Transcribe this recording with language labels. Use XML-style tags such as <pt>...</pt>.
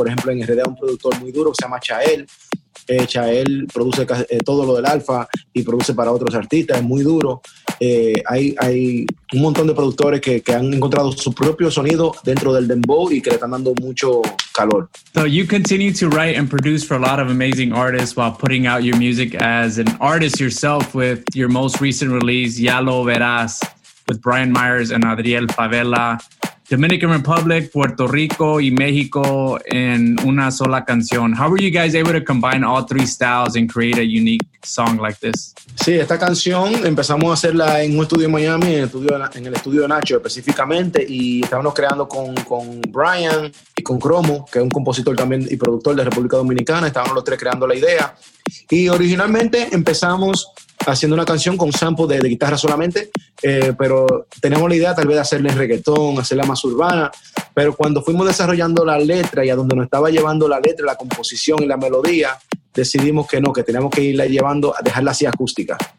<es>Por ejemplo, en RDA un productor muy duro que se llama Chael. Chael produce todo lo del Alfa y produce para otros artistas, es muy duro. Hay un montón de productores que han encontrado su propio sonido dentro del dembow y que le están dando mucho calor.</es> <en>So you continue to write and produce for a lot of amazing artists while putting out your music as an artist yourself with your most recent release, Ya Lo Verás, with Brian Myers and Adriel Favela.</en> <es>Dominican Republic, Puerto Rico, y México en una sola canción.</es> <en>How were you guys able to combine all three styles and create a unique song like this?</en> <es>Sí, esta canción empezamos a hacerla en un estudio en Miami, en el estudio de Nacho específicamente, y estábamos creando con Brian y con Cromo, que es un compositor también y productor de República Dominicana. Estábamos los tres creando la idea. Y originalmente empezamos haciendo una canción con un sample de guitarra solamente, pero teníamos la idea tal vez de hacerle reggaetón, hacerla más urbana, pero cuando fuimos desarrollando la letra y a donde nos estaba llevando la letra, la composición y la melodía, decidimos que no, que teníamos que irla llevando, dejarla así acústica.</es>